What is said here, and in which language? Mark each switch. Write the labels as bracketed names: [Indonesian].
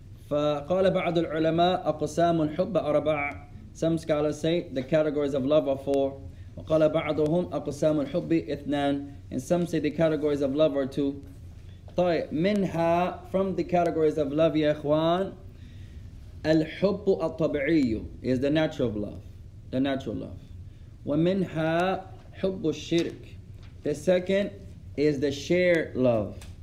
[Arabic] فقال بعض العلماء أقسام الحب أربع. [English] Some scholars say the categories of love are four. [Arabic] وقال بعضهم أقسام الحب اثنان. [English] And some say the categories of love are two. [Arabic] طيب منها [English] from the categories of love, ya ikhwan, [Arabic] الحب الطبيعي [English] is the natural love. The natural love. [Arabic] ومنها حب الشرك. [English] The second is the shared love.